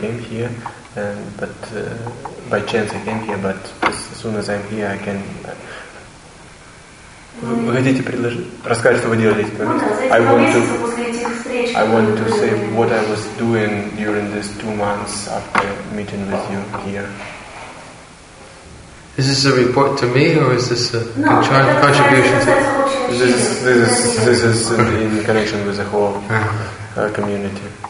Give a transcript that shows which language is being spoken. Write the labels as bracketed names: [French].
[English] came here, and but by chance I came here. But as soon as I'm here, I can. [Russian] Вы хотите предложить, рассказать, что вы делаете? [English] I want to say what I was doing during these 2 months after meeting with you here. Is this a report to me, or is this a contribution? This is in connection with the whole community.